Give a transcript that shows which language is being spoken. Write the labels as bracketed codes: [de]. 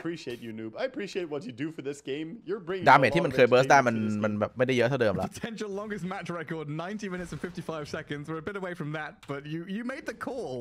[en] I appreciate you noob I appreciate what you do for this game You're bringing [th] ดาเมจที่มันเคยเบิร์สได้มันแบบไม่ได้เยอะเท่าเดิมละ [en] Potential longest match record 90 minutes and 55 seconds We're a bit away from that but you made the call